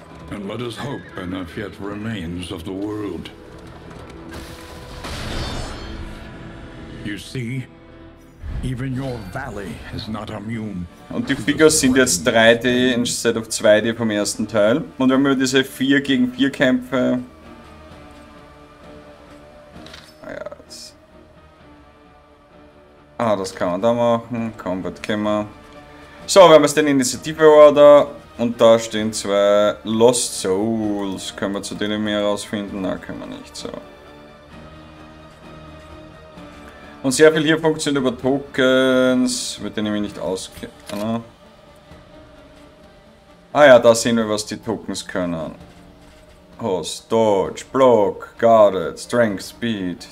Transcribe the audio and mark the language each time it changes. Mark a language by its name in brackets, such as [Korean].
[English] And let us hope enough yet remains of the world. You see, even your valley is not immune. [German] Und die Figuren sind jetzt 3D [English] instead of [German] 2D vom ersten Teil. Und wenn wir diese 4 gegen 4 Kämpfe. Ah, das kann man da machen. Combat Kämmer. So, wir haben jetzt den Initiative Order. Und da stehen 2 Lost Souls. Können wir zu denen mehr rausfinden? Nein, können wir nicht. So. Und sehr viel hier funktioniert über Tokens. Mit denen wir nicht auskennen. Ah ja, da sehen wir, was die Tokens können. [English] Host, Dodge, Block, Guarded, Strength, Speed.